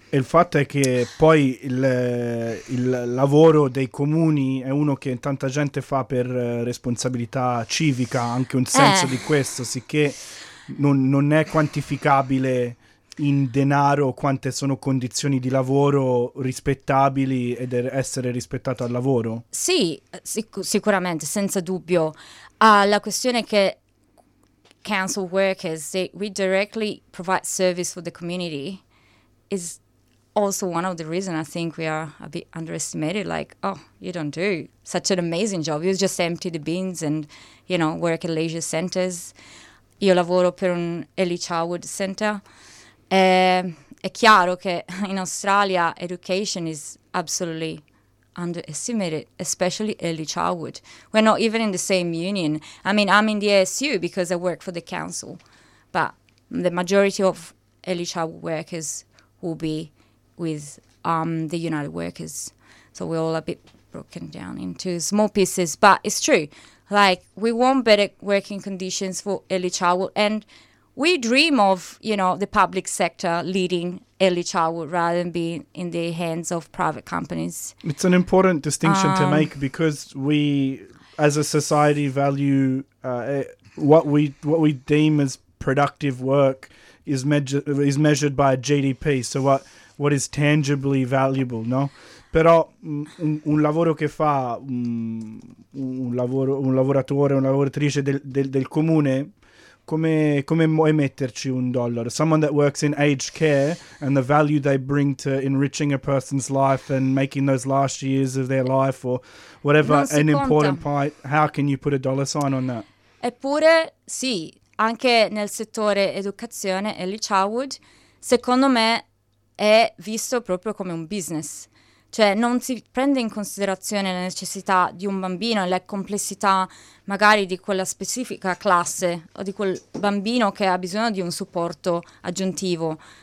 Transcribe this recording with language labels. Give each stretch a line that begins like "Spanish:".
Italian: Il fatto è che poi il lavoro dei comuni è uno che tanta gente fa per responsabilità civica, anche un senso di questo, sicché non è quantificabile in denaro quante sono condizioni di lavoro rispettabili ed essere rispettato al lavoro? Sì, sicuramente, senza dubbio. La questione è che
English: council workers, we directly provide service for the community, is also one of the reasons I think we are a bit underestimated. Like, oh, you don't do such an amazing job. You just empty the bins and, you know, work at leisure centers.
Italian: Io lavoro per un early childhood center. È chiaro che in Australia
English: education is absolutely underestimated, especially early childhood. We're not even in the same union. I mean, I'm in the ASU because I work for the council, but the majority of early childhood workers will be with the United Workers. So we're all a bit broken down into small pieces, but it's true. Like, we want better working conditions for early childhood, and we dream of, you know, the public sector leading early childhood rather than being in the hands of private companies. It's an important distinction to make, because we, as a society, value what we deem as productive work is measured by GDP. So what is tangibly valuable, no?
Italian: Però un lavoro che fa un lavoratore, una lavoratrice del comune, come emetterci un dollaro?
English: Someone that works in aged care and the value they bring to enriching a person's life and making those last years of their life or whatever an important part, how can you put a dollar sign on that?
Italian: Eppure sì, anche nel settore educazione, early childhood, secondo me è visto proprio come un business. Cioè, non si prende in considerazione la necessità di un bambino e la complessità magari di quella specifica classe o di quel bambino che ha bisogno di un supporto aggiuntivo.